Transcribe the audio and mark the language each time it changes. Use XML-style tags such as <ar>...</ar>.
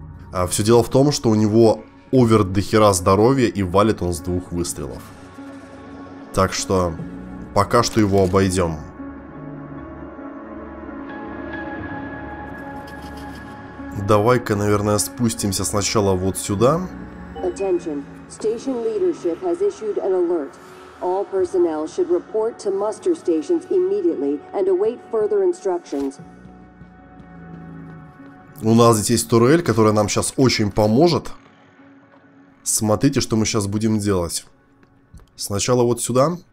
<ru>А все дело в том, что у него овер дохера здоровья и валит он с двух выстрелов. Так что, пока что его обойдем. Давай-ка, наверное, спустимся сначала вот сюда.</ru> <en>Attention. Station leadership has issued an alert. All personnel should report to muster stations immediately and await further instructions.</en> <ru>У нас здесь есть турель, которая нам сейчас очень поможет. Смотрите, что мы сейчас будем делать. Сначала вот сюда.</ru>